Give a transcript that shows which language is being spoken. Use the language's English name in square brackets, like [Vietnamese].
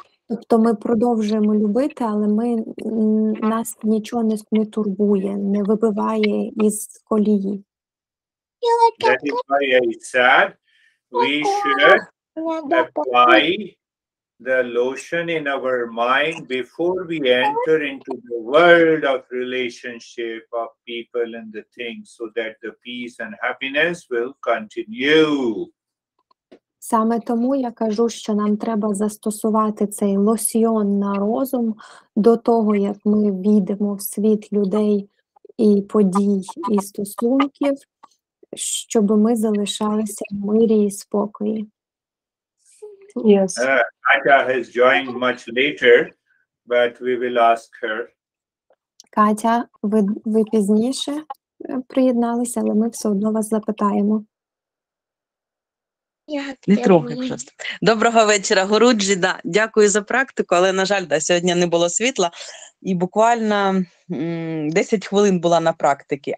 [Ukrainian] Тобто ми продовжуємо любити, але ми, нас нічого не турбує, не вибиває із колії. [English] That is why I said we should apply the lotion in our mind before we enter into the world of relationship of people and the things, so that the peace and happiness will continue. [Ukrainian] Саме тому я кажу, що нам треба застосувати цей лосьйон на розум до того, як ми війдемо в світ людей і подій, і стосунків, щоб ми залишалися в мирі і спокої. [English] Yes. Катя has joined much later, but we will ask her. [Ukrainian] Катя, ви пізніше приєдналися, але ми все одно вас запитаємо. Не трохи просто. Доброго вечора, Гуруджі. Да, дякую за практику, але, на жаль, да, сьогодні не було світла. І буквально 10 хвилин була на практиці.